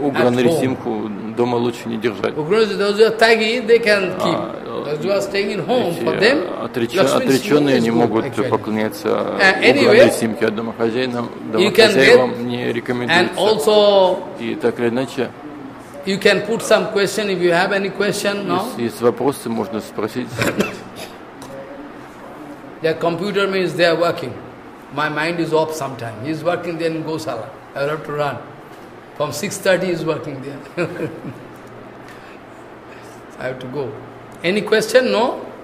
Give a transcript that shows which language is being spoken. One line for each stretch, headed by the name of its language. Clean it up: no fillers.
Russian: Угра Нрисимху дома лучше не держать. Отреченные не могут поклоняться угра Нрисимхи, а домохозяевам не рекомендуется. И так или иначе,
English: you can put some question if you have any question. No?
Russian: Есть вопросы, можно спросить.
English: Their computer means they are working. My mind is off sometimes. He is working then in Gosala. I have to run. From 6:30 he is working there. So I have to go. Any question? No?